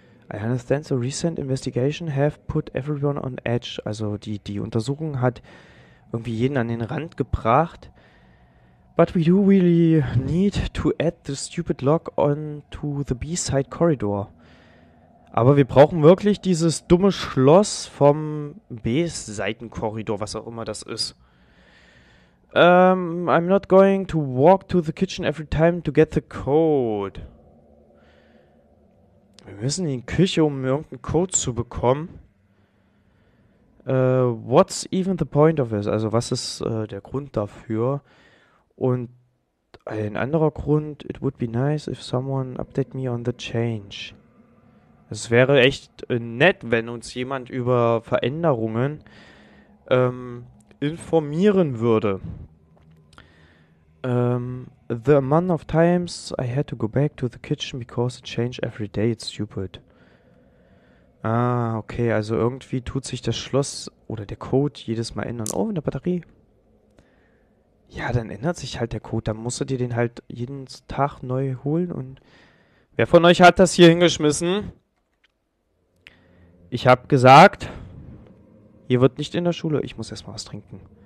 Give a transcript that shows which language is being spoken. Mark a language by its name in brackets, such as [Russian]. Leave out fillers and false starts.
[English] I understand the recent investigation have put everyone on edge. [German] Also die Untersuchung hat irgendwie jeden an den Rand gebracht. [English] But we do really need to add the stupid lock on to the B-Side Corridor. [German] Aber wir brauchen wirklich dieses dumme Schloss vom B-Seitenkorridor, was auch immer das ist. [English] I'm not going to walk to the kitchen every time to get the code. [German] Wir müssen in die Küche, um irgendeinen Code zu bekommen. [English] What's even the point of this? [German] Also, was ist der Grund dafür? Und ein anderer Grund, [English] it would be nice if someone update me on the change. [German] Es wäre echt nett, wenn uns jemand über Veränderungen informieren würde. [English] The amount of times I had to go back to the kitchen because it changed every day, it's stupid. [German] Ah, okay, also irgendwie tut sich das Schloss oder der Code jedes Mal ändern. Oh, in der Batterie. Ja, dann ändert sich halt der Code. Dann musst du dir den halt jeden Tag neu holen und. Wer von euch hat das hier hingeschmissen? Ich hab gesagt, hier wird nicht in der Schule. Ich muss erstmal was trinken.